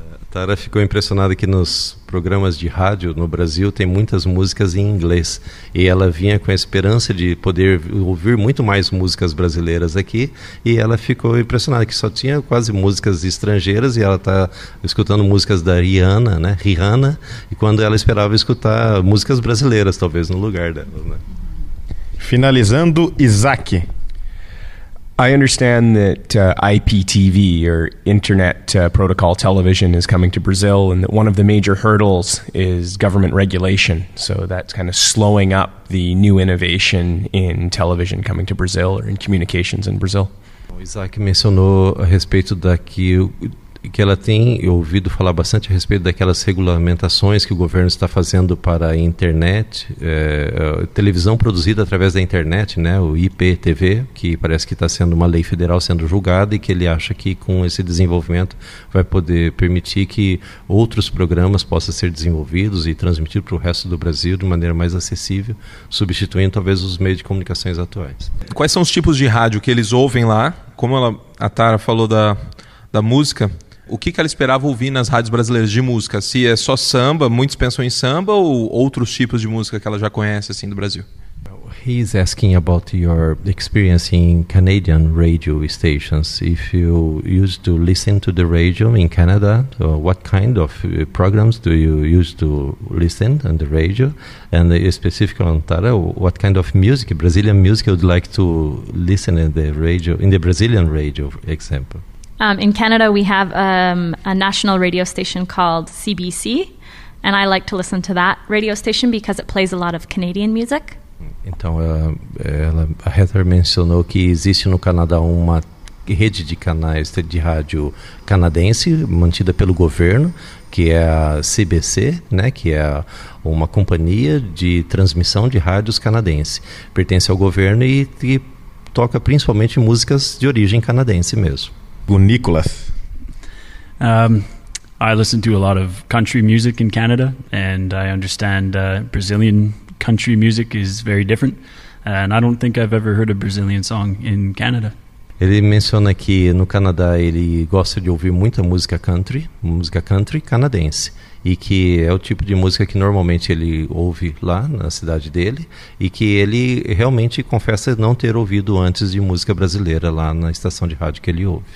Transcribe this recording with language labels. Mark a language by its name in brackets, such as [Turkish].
[Portuguese] Tara ficou impressionada que nos programas de rádio no Brasil tem muitas músicas em inglês, e ela vinha com a esperança de poder ouvir muito mais músicas brasileiras aqui, e ela ficou impressionada que só tinha quase músicas estrangeiras, e ela está escutando músicas da Rihanna, né? Rihanna, e quando ela esperava escutar músicas brasileiras talvez no lugar dela, né? Finalizando, Isaac. [English] I understand that IPTV, or Internet Protocol Television, is coming to Brazil, and that one of the major hurdles is government regulation. So that's kind of slowing up the new innovation in television coming to Brazil, or in communications in Brazil. [Portuguese] O Isaac mencionou a respeito que ela tem ouvido falar bastante a respeito daquelas regulamentações que o governo está fazendo para a internet, televisão produzida através da internet, né, o IPTV, que parece que está sendo uma lei federal sendo julgada, e que ele acha que com esse desenvolvimento vai poder permitir que outros programas possam ser desenvolvidos e transmitidos para o resto do Brasil de maneira mais acessível, substituindo talvez os meios de comunicações atuais. Quais são os tipos de rádio que eles ouvem lá? Como a Tara falou da música... O que ela esperava ouvir nas rádios brasileiras de música? Se é só samba, muitos pensam em samba, ou outros tipos de música que ela já conhece assim do Brasil? [English] He's asking about your experience in Canadian radio stations. If you used to listen to the radio in Canada, what kind of programs do you used to listen on the radio? And specifically on Tara, what kind of music, Brazilian music, would like to listen in the radio, in the Brazilian radio, for example? In Canada, we have a national radio station called CBC, and I like to listen to that radio station because it plays a lot of Canadian music. [Portuguese] Então, a Heather mencionou que existe no Canadá uma rede de canais de rádio canadense mantida pelo governo, que é a CBC, né, que é uma companhia de transmissão de rádios canadense. Pertence ao governo e toca principalmente músicas de origem canadense mesmo. Nicholas. [English] I listen to a lot of country music in Canada, and I understand Brazilian country music is very different, and I don't think I've ever heard a Brazilian song in Canada. [Portuguese] Ele menciona que no Canadá ele gosta de ouvir muita música country canadense, e que é o tipo de música que normalmente ele ouve lá na cidade dele, e que ele realmente confessa não ter ouvido antes de música brasileira lá na estação de rádio que ele ouve.